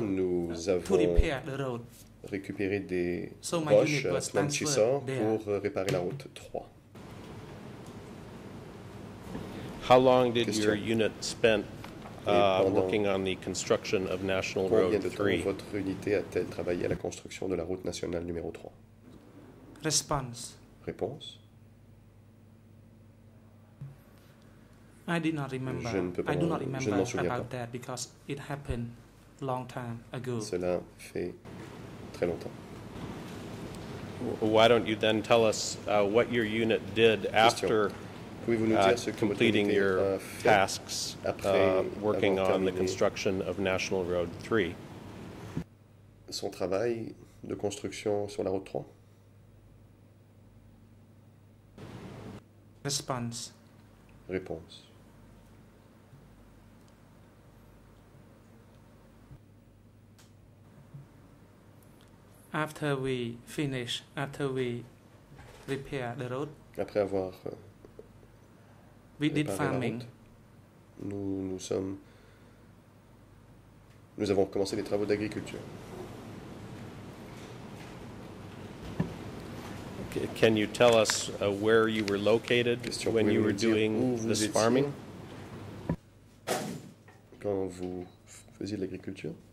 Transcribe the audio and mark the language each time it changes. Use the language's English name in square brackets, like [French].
[French] Nous avons récupéré des roches à Phnom Chiso pour réparer la route 3. [English] How long did your unit spend working on the construction of National Road 3? [French] Combien de temps votre unité a-t-elle travaillé à la construction de la route nationale numéro 3? [English] Response. [French] Réponse. [English] I did not remember. [French] Je ne peux pas. [English] I do not remember [French] je ne m'en souviens [English] about [French] pas. [English] That because it happened long time ago. [French] Cela fait très longtemps. [English] Why don't you then tell us what your unit did after completing your tasks working on the construction of National Road 3? [French] Son travail de construction sur la route 3? [English] Response. [French] Réponse. [English] After we finish, after we repair the road, [French] après avoir [English] we did farming. [French] La route, nous avons commencé les travaux d'agriculture. [English] Can you tell us where you were located when you were doing this farming? [French] Quand vous faisiez de l'agriculture?